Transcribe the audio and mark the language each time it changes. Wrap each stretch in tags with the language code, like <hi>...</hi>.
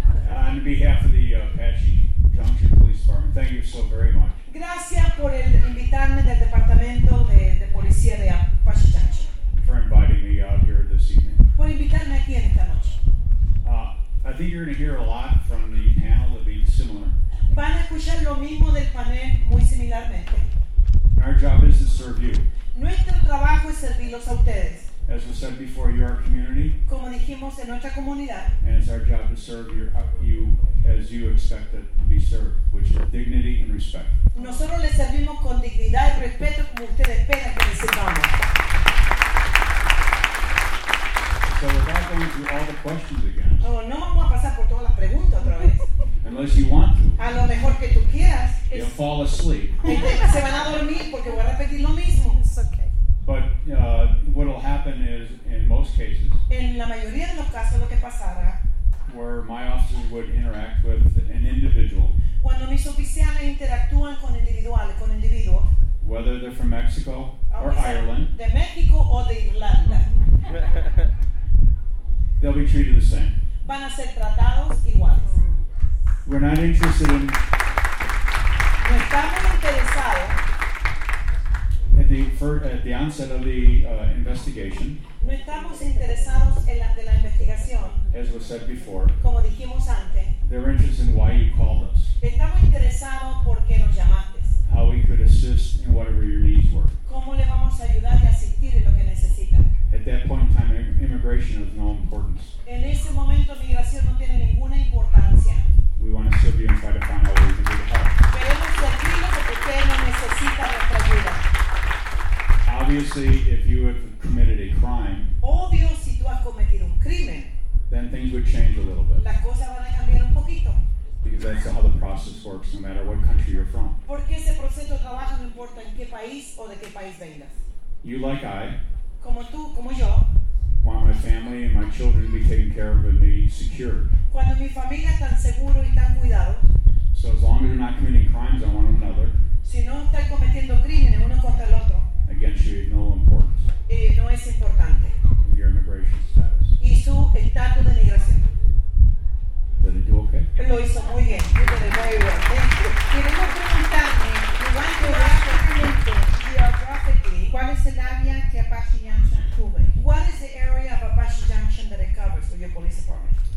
<en>On behalf of the Apache Junction Police Department, thank you so very much.</en> <es>Gracias por invitarme del departamento de policía de Apache Junction.</es> <en>For inviting me out here this evening.</en> <es>Por invitarme aquí en esta noche.</es> <en>I think you're going to hear a lot from the panel that will be similar.</en> <es>Van a escuchar lo mismo del panel muy similarmente.</es> <en>Our job is to serve you.</en> <es>Nuestro trabajo es servirlos a ustedes.</es> <en>As we said before, you're our community.</en> <es>Como dijimos en nuestra comunidad.</es> <en>And it's our job to serve your, you as you expect it to be served, which is dignity and respect.</en> <es>Nosotros les servimos con dignidad y respeto como ustedes esperan que les sirvamos.</es> <en>So without going through all the questions again.</en> <es>Oh, no vamos a pasar por todas las preguntas otra vez.</es> <en>Unless you want to.</en> <es>A lo mejor que tú quieras.</es> <en>You'll fall asleep.</en> <es>Se van a dormir porque voy a repetir lo mismo.</es> <en>It's okay. But what will happen is, in most cases.</en> <es>En la mayoría de los casos, lo que pasará.</es> <en>Where my officers would interact with an individual.</en> <es>Cuando mis oficiales interactúan con individuales, con individuos.</es> <en>Whether they're from Mexico or Ireland.</en> <es>De México o de Irlanda.</es> <en>They'll be treated the same.</en> <es>Van a ser tratados igual.</es> <en>We're not interested in.</en> <es>No estamos interesados.</es> <en>At the onset of the investigation.</en> <es>No estamos interesados en la de la investigación.</es> <en>As was said before.</en> <es>Como dijimos antes.</es> <en>They're interested in why you called us.</en> <es>Estamos interesados por qué nos llamaste.</es> <en>How we could assist in whatever your needs were.</en> <es>Cómo le vamos a ayudar y asistir en lo que necesita.</es> <en>At that point in time, immigration is of no importance.</en> <es>En ese momento, migración no tiene ninguna importancia.</es> <en>We want to serve you and try to find out what we can do to help.</en> <es>Queremos servirlos porque ustedes no necesitan nuestra ayuda.</es> <en>Obviously, if you have committed a crime,</en> <es>obvio, si tú has cometido un crimen,</es> <en>then things would change a little bit.</en> <es>Las cosas van a cambiar un poquito.</es> <en>Because that's how the process works, no matter what country you're from.</en> <es>Porque ese proceso de trabajo no importa en qué país o de qué país vengas.</es> <en>You like I.</en> <es>Como tú, como yo.</es> <en>Want my family and my children to be taken care of and be secure.</en> <es>Cuando mi familia está seguro y tan cuidado.</es> <en>So as long as you're not committing crimes on one another.</en> <es>Si no estás cometiendo crímenes uno contra el otro.</es> <en>Against you, no importance.</en> <es>No es importante.</es> <en>Your immigration status.</en> <es>Y su estatus de migración.</es> <en>Did it do okay?</en> <es>Lo hizo muy bien.</es> <en>You did it very well. Thank you.</en> <es>Queremos preguntarle, igual que el documento. ¿Cuál es el área que Apache Junction cubre?</es> <en>What is the area of Apache Junction that it covers for your police department?</en>